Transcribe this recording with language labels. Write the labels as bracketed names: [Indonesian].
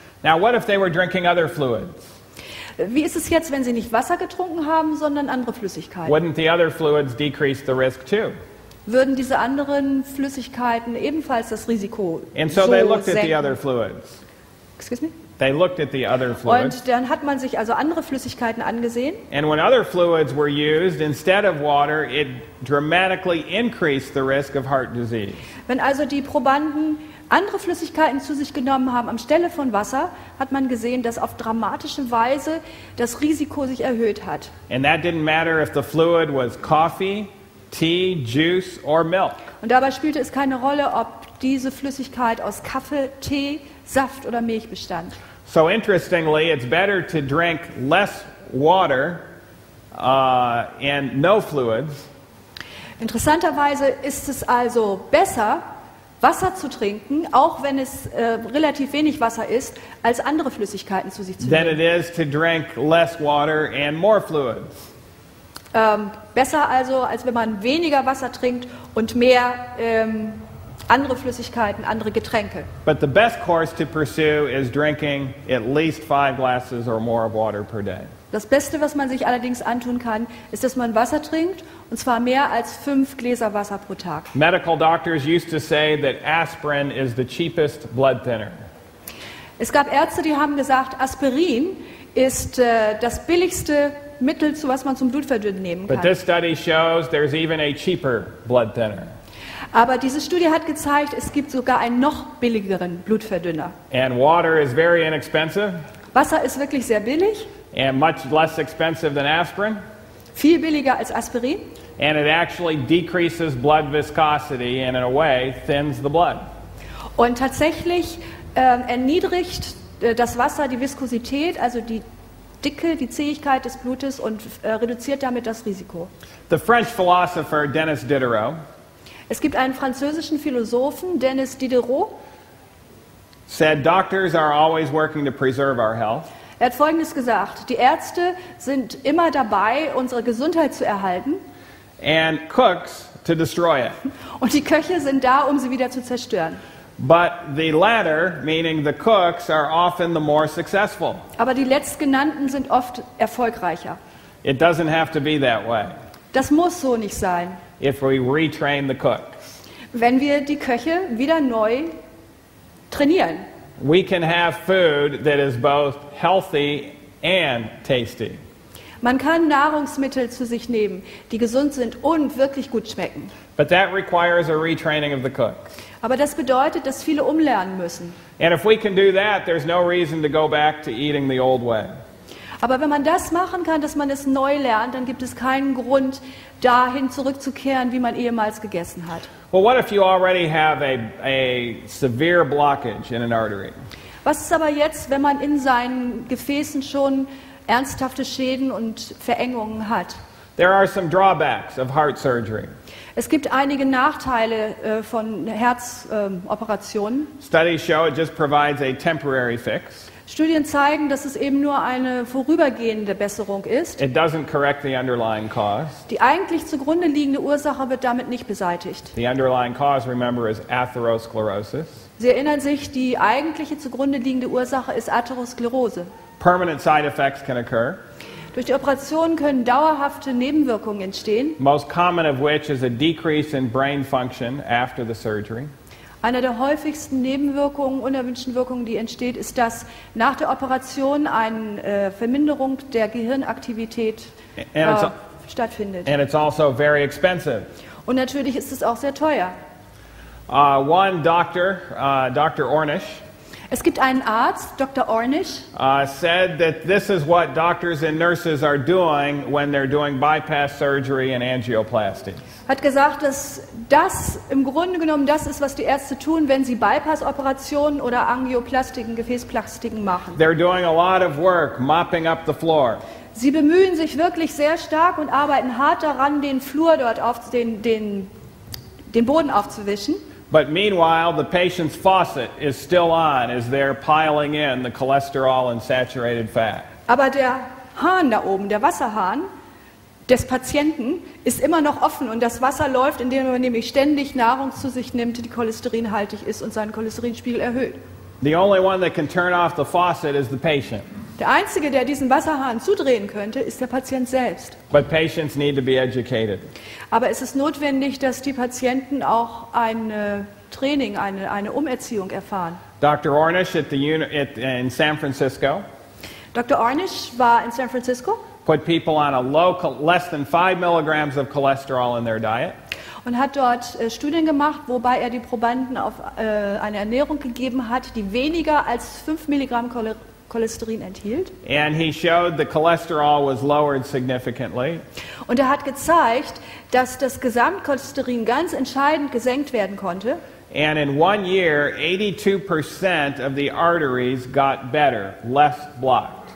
[English] Now what if they were drinking other fluids? [German] Wie ist es jetzt, wenn sie nicht Wasser getrunken haben, sondern andere Flüssigkeiten? [English] Wouldn't the other fluids decrease the risk too? [German] Würden diese anderen Flüssigkeiten ebenfalls das Risiko senken? [English] And so they looked at the other fluids. Excuse me? They looked at the other fluids. [German] Und dann hat man sich also andere Flüssigkeiten angesehen. [English] And when other fluids were used instead of water, it dramatically increased the risk of heart disease. [German] Wenn also die Probanden andere Flüssigkeiten zu sich genommen haben anstelle von Wasser, hat man gesehen, dass auf dramatische Weise das Risiko sich erhöht hat. [English] And that didn't matter if the fluid was coffee, tea, juice or milk. [German] Und dabei spielte es keine Rolle, ob diese Flüssigkeit aus Kaffee, Tee, Saft oder Milch bestand. [English] So interestingly, it's better to drink less water and no fluids. [German] Interessanterweise ist es also besser, Wasser zu trinken, auch wenn es relativ wenig Wasser ist, als andere Flüssigkeiten zu sich zu nehmen. [English] Than it is to drink less water and more fluids. [German] Besser also, als wenn man weniger Wasser trinkt und mehr andere Flüssigkeiten, andere Getränke. [English] But the best course to pursue is drinking at least 5 glasses or more of water per day. [German] Das Beste, was man sich allerdings antun kann, ist, dass man Wasser trinkt, und zwar mehr als 5 Gläser Wasser pro Tag. [English] Medical doctors used to say that aspirin is the cheapest blood thinner. [German] Es gab Ärzte, die haben gesagt, Aspirin ist das billigste Mittel, zu was man zum Blutverdünnen nehmen kann. [English] But this study shows there's even a cheaper blood thinner. [German] Aber diese Studie hat gezeigt, es gibt sogar einen noch billigeren Blutverdünner. [English] And water is very inexpensive. [German] Wasser ist wirklich sehr billig. [English] And much less expensive than aspirin. [German] Viel billiger als Aspirin. [English] And it actually decreases blood viscosity and in a way thins the blood. [German] Und tatsächlich erniedrigt das Wasser die Viskosität, also die Dicke, die Zähigkeit des Blutes und reduziert damit das Risiko. [English] The French philosopher Denis Diderot. [German] Es gibt einen französischen Philosophen, Denis Diderot. [English] Said doctors are always working to preserve our health. [German] Er hat Folgendes gesagt: Die Ärzte sind immer dabei, unsere Gesundheit zu erhalten. [English] And cooks to destroy it. [German] Und die Köche sind da, um sie wieder zu zerstören. [English] But the latter, meaning the cooks, are often the more successful. [German] Aber die Letztgenannten sind oft erfolgreicher. [English] It doesn't have to be that way. [German] Das muss so nicht sein. [English] If we retrain the cooks. [German] Wenn wir die Köche wieder neu trainieren. [English] We can have food that is both healthy and tasty. [German] Man kann Nahrungsmittel zu sich nehmen, die gesund sind und wirklich gut schmecken. [English] But that requires a retraining of the cooks. [German] Aber das bedeutet, dass viele umlernen müssen. [English] And if we can do that, there's no reason to go back to eating the old way. [German] Aber wenn man das machen kann, dass man es neu lernt, dann gibt es keinen Grund, dahin zurückzukehren, wie man ehemals gegessen hat. [English] Well, what if you already have a severe blockage in an artery? [German] Was ist aber jetzt, wenn man in seinen Gefäßen schon ernsthafte Schäden und Verengungen hat? [English] There are some drawbacks of heart surgery. [German] Es gibt einige Nachteile von Herzoperationen. [English] Studies show it just provides a temporary fix. [German] Studien zeigen, dass es eben nur eine vorübergehende Besserung ist. [English] It doesn't correct the underlying cause. [German] Die eigentlich zugrunde liegende Ursache wird damit nicht beseitigt. [English] The underlying cause, remember, is atherosclerosis. [German] Sie erinnern sich, die eigentliche zugrunde liegende Ursache ist Atherosklerose. [English] Permanent side effects can occur. [German] Durch die Operation können dauerhafte Nebenwirkungen entstehen. [English] Most common of which is a decrease in brain function after the surgery. [German] Eine der häufigsten Nebenwirkungen, unerwünschten Wirkungen, die entsteht, ist, dass nach der Operation eine Verminderung der Gehirnaktivität stattfindet. [English] And it's also very expensive. [German] Und natürlich ist es auch sehr teuer. [English] One doctor, Dr. Ornish, [German] es gibt einen Arzt, Dr. Ornish, [English] said that this is what doctors and nurses are doing when they're doing bypass surgery and angioplasty. [German] Hat gesagt, dass das im Grunde genommen das ist, was die Ärzte tun, wenn sie Bypass-Operationen oder Angioplastiken, Gefäßplastiken machen. [English] They're doing a lot of work mopping up the floor. [German] Sie bemühen sich wirklich sehr stark und arbeiten hart daran, den Flur dort auf den Boden aufzuwischen. [English] But meanwhile, the patient's faucet is still on as they're piling in the cholesterol and saturated fat. [German] Aber der Hahn da oben, der Wasserhahn des Patienten, ist immer noch offen und das Wasser läuft, indem man nämlich ständig Nahrung zu sich nimmt, die cholesterinhaltig ist und seinen Cholesterinspiegel erhöht. [English] The only one that can turn off the faucet is the patient. [German] Der einzige, der diesen Wasserhahn zudrehen könnte, ist der Patient selbst. [English] But patients need to be educated. [German] Aber es ist notwendig, dass die Patienten auch eine Umerziehung erfahren. [English] Dr. Ornish in San Francisco. [German] Dr. Ornish war in San Francisco. [English] Put people on a low, less than 5 milligrams of cholesterol in their diet. [German] Und hat dort Studien gemacht, wobei die Probanden auf eine Ernährung gegeben hat, die weniger als 5 Milligramm Cholesterin enthielt. [English] And he showed the cholesterol was lowered significantly. [German] Und hat gezeigt, dass das Gesamtcholesterin ganz entscheidend gesenkt werden konnte. [English] And in 1 year, 82% of the arteries got better, less blocked.